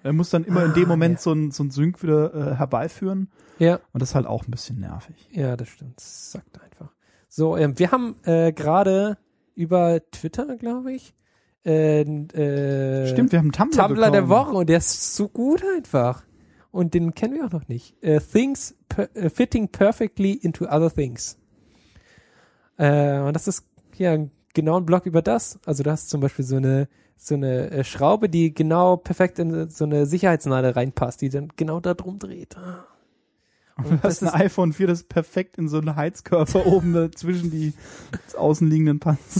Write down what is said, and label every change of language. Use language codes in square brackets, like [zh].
[de] Er muss dann immer in dem Moment so ein Sync wieder herbeiführen. Ja. Und das ist halt auch ein bisschen nervig. Ja, das stimmt. Sackt einfach. So, wir haben gerade über Twitter, glaube ich, stimmt, wir haben Tumblr der Woche und der ist so gut einfach. Und den kennen wir auch noch nicht. [en] Things fitting perfectly into other things. [de] Und das ist ja genau ein Blog über das. Also du hast zum Beispiel so eine Schraube, die genau perfekt in so eine Sicherheitsnadel reinpasst, die dann genau da drum dreht. Und du hast ein iPhone 4, das perfekt in so einen Heizkörper oben zwischen die außenliegenden Panzer.